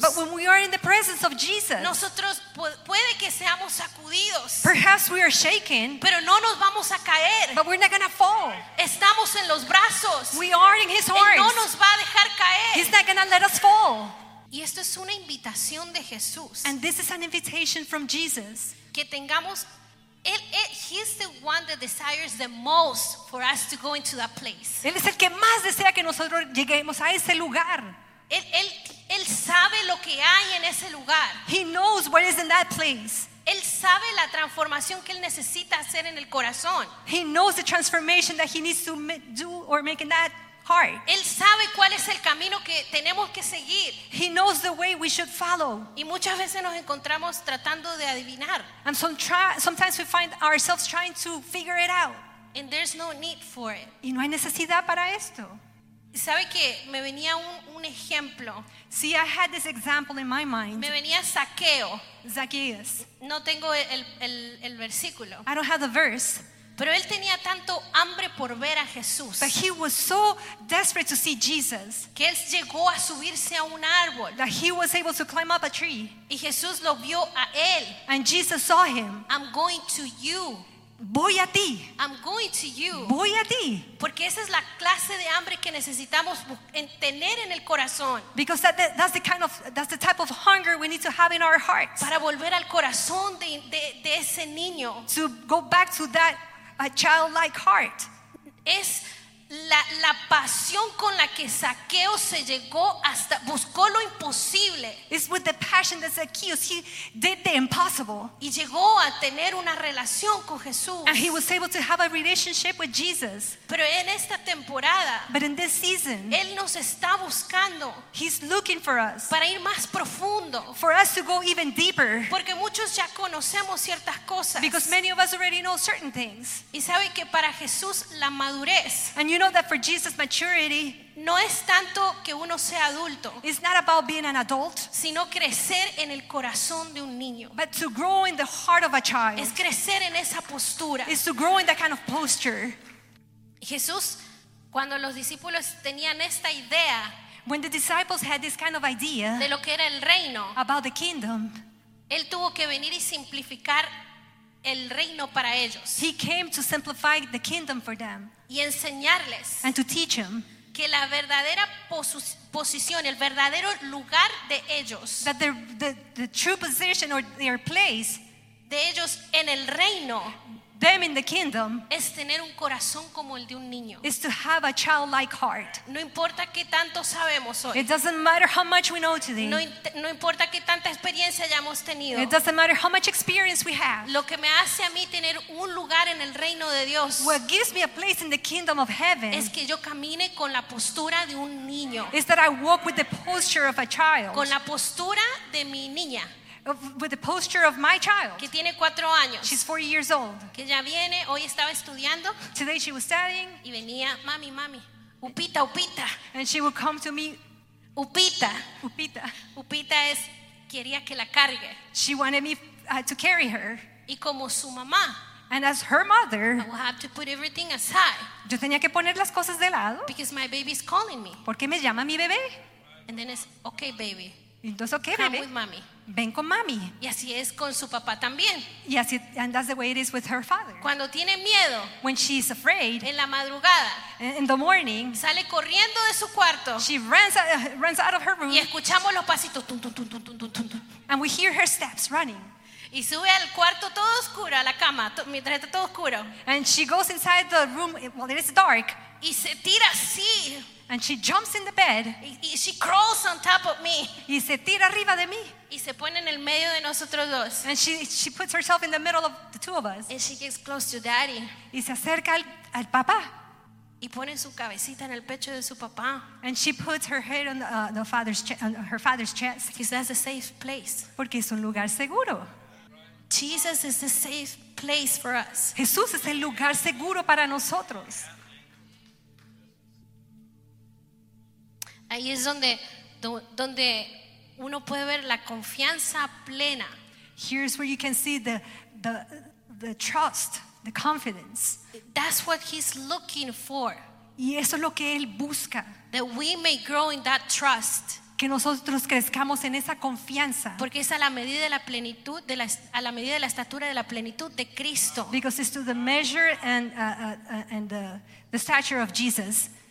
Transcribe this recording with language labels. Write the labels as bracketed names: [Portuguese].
[English] But when we are in the presence of Jesus. [Spanish] Nosotros puede que seamos sacudidos. [English] Perhaps we are shaken. [Spanish] Pero no nos vamos a caer. [English] But we're not going to fall. [Spanish] Estamos en los brazos. [English] We are in his arms. [Spanish] Él no nos va a dejar caer. [English] He's not going to let us fall. [Spanish] Y esto es una invitación de Jesús. [English] And this is an invitation from Jesus. [Spanish] Que tengamos [English] he's the one that desires the most for us to go into that place. [Spanish] Él es el que más desea que nosotros lleguemos a ese lugar. Él sabe lo que hay en ese lugar. [English] He knows what is in that place. [Spanish] Él sabe la transformación que él necesita hacer en el corazón. [English] He knows the transformation that he needs to do or make in that heart. [Spanish] Él sabe cuál es el camino que tenemos que seguir. [English] He knows the way we should follow. [Spanish] Y muchas veces nos encontramos tratando de adivinar. [English] And sometimes we find ourselves trying to figure it out. And there's no need for it. [Spanish] Y no hay necesidad para esto. ¿Sabe que me venía un ejemplo? [English] See, I had this example in my mind. [Spanish] Me venía Zaqueo. [English] Zacchaeus. [Spanish] No tengo el versículo. [English] I don't have the verse. [Spanish] Pero él tenía tanto hambre por ver a Jesús. [English] But he was so desperate to see Jesus. [Spanish] Que él llegó a subirse a un árbol. [English] That he was able to climb up a tree. [Spanish] Y Jesús lo vio a él. [English] And Jesus saw him. I'm going to you. [Spanish] Voy a ti. [English] I'm going to you. [Spanish] Voy a ti. Porque esa es la clase de hambre que necesitamos tener en el corazón. [English] Because that's the type of hunger we need to have in our hearts. [Spanish] Para volver al corazón de ese niño. [English] To go back to that a childlike heart. [Spanish] Es la pasión con la que Zaqueo se llegó hasta buscó lo imposible. [English] It's with the passion that Zacchaeus, he did the impossible. [Spanish] Y llegó a tener una relación con Jesús. [English] And he was able to have a relationship with Jesus. [Spanish] Pero en esta temporada, [English] but in this season, [Spanish] él nos está buscando. [English] He's looking for us. [Spanish] Para ir más profundo. [English] For us to go even deeper. [Spanish] Porque muchos ya conocemos ciertas cosas. [English] Because many of us already know certain things. [Spanish] Y sabe que para Jesús la madurez, [English] and you know that for Jesus, maturity, [Spanish] no es tanto que uno sea adulto, [English] it's not about being an adult, [Spanish] sino crecer en el corazón de un niño, [English] but to grow in the heart of a child, [Spanish] es crecer en esa postura, [English] is to grow in that kind of posture. [Spanish] Jesús, cuando los discípulos tenían esta idea, [English] when the disciples had this kind of idea, [Spanish] de lo que era el reino, [English] about the kingdom, [Spanish] él tuvo que venir y simplificar el reino para ellos. [English] He came to simplify the kingdom for them. [Spanish] Y enseñarles. [English] And to teach them. [Spanish] Que la verdadera posición, el verdadero lugar de ellos. [English] That the true position or their place. [Spanish] De ellos en el reino. [English] Them in the kingdom. [Spanish] Es tener un corazón como el de un niño. [English] Is to have a childlike heart. [Spanish] No importa qué tanto sabemos hoy. [English] It doesn't matter how much we know today. [Spanish] No importa qué tanta experiencia hayamos tenido. [English] It doesn't matter how much experience we have. [Spanish] Lo que me hace a mí tener un lugar en el reino de Dios. [English] What gives me a place in the kingdom of heaven. [Spanish] Es que yo camine con la postura de un niño. [English] Is that I walk with the posture of a child. [Spanish] Con la postura de mi niña. [English] With the posture of my child. [Spanish] Que tiene 4 años. [English] She's 4 years old. [Spanish] Que ya viene, hoy estaba estudiando. [English] Today she was studying. [Spanish] Y venía, mami, mami. Upita, upita. [English] And she would come to me. [Spanish] Upita. Upita. Upita es quería que la cargue. [English] She wanted me to carry her. [Spanish] Y como su mamá. [English] And as her mother, I will have to put everything aside. [Spanish] Yo tenía que poner las cosas de lado. [English] Because my baby's calling me. [Spanish] ¿Por qué me llama mi bebé? [English] And then it's okay, baby. [Spanish] Entonces, okay, [English] come [Spanish] bebé. [English] With mommy. [Spanish] Ven con mami. Y así es con su papá también. Y así, [English] and that's the way it is with her father. [Spanish] Cuando tiene miedo, [English] when she's afraid, [Spanish] en la madrugada, [English] in the morning, [Spanish] sale corriendo de su cuarto. [English] She runs out of her room. [Spanish] Y escuchamos los pasitos, tum, tum, tum, tum, tum, tum, tum. [English] And we hear her steps running. [Spanish] Y sube al cuarto todo oscuro, a la cama, mientras está todo oscuro. [English] And she goes inside the room while it is dark. [Spanish] Y se tira así. [English] And she jumps in the bed. Y she crawls on top of me. [Spanish] Y se tira arriba de mí. Y se pone en el medio de nosotros dos. [English] And she puts herself in the middle of the two of us. And she gets close to daddy. [Spanish] Y se acerca al papá. Y pone su cabecita en el pecho de su papá. [English] And she puts her head on the father's on her father's chest. Because that's a safe place. [Spanish] Porque es un lugar seguro. [English] Jesus is the safe place for us. [Spanish] Jesús es el lugar seguro para nosotros. Ahí es donde uno puede ver la confianza plena. [English] Here's where you can see the trust, the confidence. That's what he's looking for. [Spanish] Y eso es lo que él busca. [English] That we may grow in that trust. [Spanish] Que nosotros crezcamos en esa confianza. Porque es a la medida de la plenitud de la a la medida de la estatura de la plenitud de Cristo. [English] Because it's to the measure and the stature of Jesus.